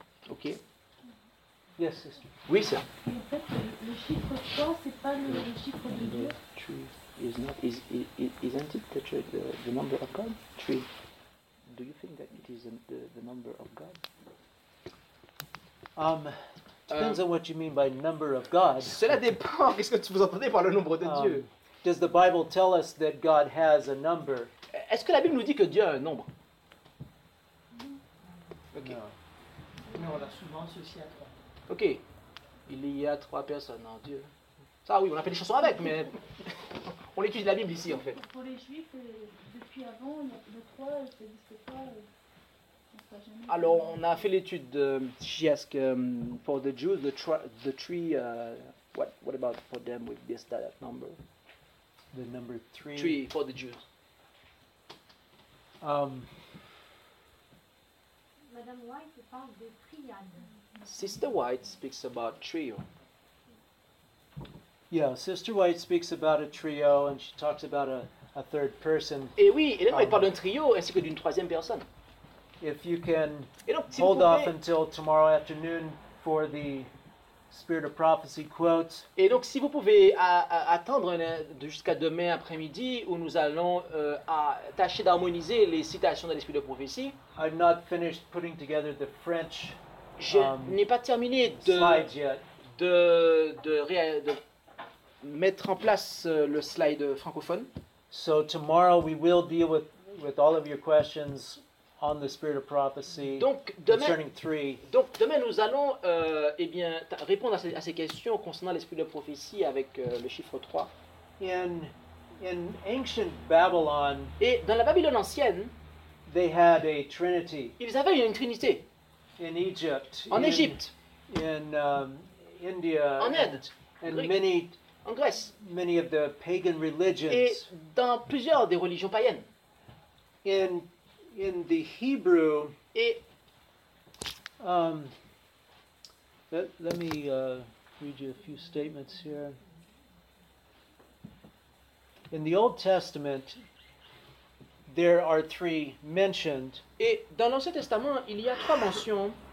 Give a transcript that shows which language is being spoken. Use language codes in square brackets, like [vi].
[en] OK. Yes, sister. [fr] Oui, sir. En fait, le chiffre 3, c'est pas le chiffre de Dieu. [en] Is not is isn't it the number of God? 3. Do you think that it is the number of God? Depends on what you mean by number of God. [fr] Cela dépend. Qu'est-ce que vous entendez par le nombre de Dieu? [en] Does the Bible tell us that God has a number? [fr] Est-ce que la Bible nous dit que Dieu a un nombre? [en] Okay. [fr] Non, on l'a souvent associé à trois. Ok. Il y a trois personnes en Dieu. Ça oui, on a fait des chansons avec, mais on étudie la Bible ici en fait. Pour les Juifs, depuis avant, le 3, ça n'existe pas. Alors, on a fait l'étude de Chiasque. [en] For the Jews, the three, what about for them with this that number? The number 3. 3 for the Jews. [fr] Madame White parle de triade. [en] Sister White speaks about trio. Yeah, Sister White speaks about a trio, and she talks about a third person. [fr] Et oui, Hélène White parle d'un trio ainsi que d'une troisième personne. [en] If you can [fr] donc, si [en] hold off until tomorrow afternoon for the Spirit of Prophecy quotes. [fr] Et donc, si vous pouvez attendre jusqu'à demain après-midi où nous allons tâcher d'harmoniser les citations de l'Esprit de prophétie. [en] I've not finished putting together the French. [fr] Je n'ai pas terminé de [en] slides yet. [fr] De mettre en place le slide francophone. [en] So tomorrow we will deal with all of your questions on the spirit of prophecy. [fr] Donc demain, [en] concerning three. [fr] Donc demain nous allons répondre à ces questions concernant l'esprit de prophétie avec le chiffre 3. [en] In ancient Babylon. [fr] Et dans la Babylone ancienne, [en] they had a trinity. [fr] Ils avaient une trinité. [en] In Egypt. [fr] En Égypte. [en] In India. [fr] En Inde. [en] And Greek. Many [fr] en Grèce. [en] Many of the pagan religions. [fr] Et dans plusieurs des religions païennes. [en] In the Hebrew. [fr] Et [en] let me read you a few statements here. In the Old Testament, there are three mentioned. [fr] Et dans l'Ancien Testament, il y a trois mentions.